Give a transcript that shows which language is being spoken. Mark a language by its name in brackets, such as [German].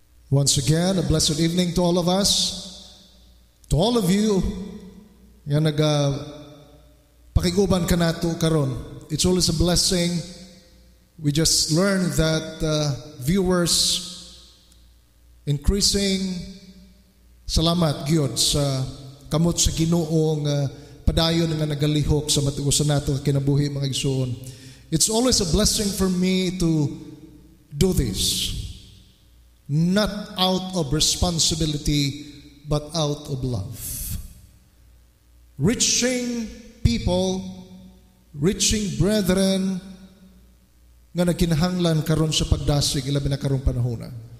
[English] Once again, a blessed evening to all of us. To all of you, [Cebuano] nga nagpakiguban ka nato karon. [English] It's always a blessing. We just learned that viewers increasing. [Cebuano] Salamat, Giyod, sa kamot sa Ginoong padayon nga nagalihok sa matugusan nato kinabuhi mga igsoon. [English] It's always a blessing for me to do this. Not out of responsibility, but out of love. Reaching people, reaching brethren, [Cebuano] nga nakinahanglan karon sa pagdasig, ilabi na karong panahona.